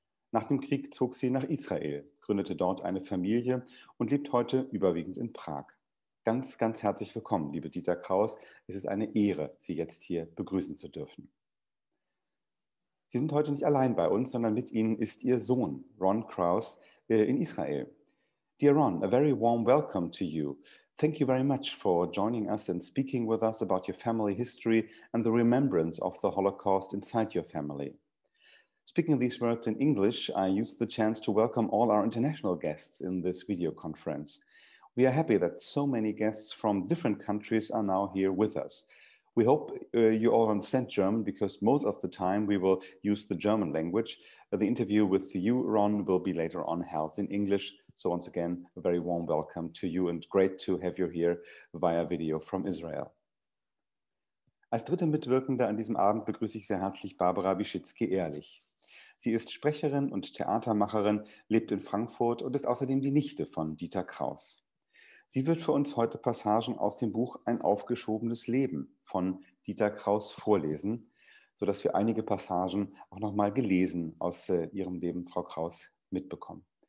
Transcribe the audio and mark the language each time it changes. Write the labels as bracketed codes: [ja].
[de] Nach dem Krieg zog sie nach Israel, gründete dort eine Familie und lebt heute überwiegend in Prag. Ganz, ganz herzlich willkommen, liebe Dieter Kraus. Es ist eine Ehre, Sie jetzt hier begrüßen zu dürfen. Sie sind heute nicht allein bei uns, sondern mit Ihnen ist Ihr Sohn, Ron Kraus, in Israel. [en] Dear Ron, a very warm welcome to you. Thank you very much for joining us and speaking with us about your family history and the remembrance of the Holocaust inside your family. Speaking these words in English, I use the chance to welcome all our international guests in this video conference. We are happy that so many guests from different countries are now here with us. We hope you all understand German because most of the time we will use the German language. The interview with you, Ron, will be later on held in English. So once again, a very warm welcome to you and great to have you here via video from Israel. [de] Als dritte Mitwirkende an diesem Abend begrüße ich sehr herzlich Barbara Bischitzky-Ehrlich. Sie ist Sprecherin und Theatermacherin, lebt in Frankfurt und ist außerdem die Nichte von Dieter Kraus. Sie wird für uns heute Passagen aus dem Buch »Ein aufgeschobenes Leben« von Dieter Kraus vorlesen, sodass wir einige Passagen auch nochmal gelesen aus Ihrem Leben, Frau Kraus, mitbekommen.